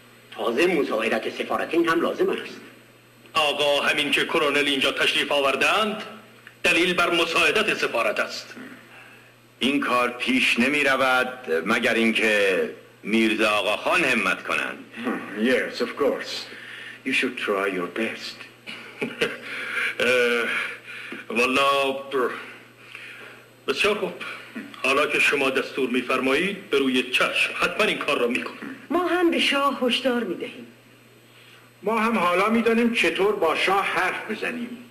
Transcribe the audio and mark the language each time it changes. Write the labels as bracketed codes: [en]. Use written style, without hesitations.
[fa] تازه مظاهرت سفارتین هم لازم است. آقا همین که کرونل اینجا تشریف آوردند دلیل بر مساعدت سفارت است. این کار پیش نمی رود مگر اینکه میرزا آقا خان همت کنند. [en] Yes, of course. You should try your best. [fa] والا بسیار خوب، حالا که شما دستور می‌فرمایید به روی چشم حتما این کار را می‌کنم. ما هم به شاه هشدار می‌دهیم. ما هم حالا می‌دانیم چطور با شاه حرف بزنیم.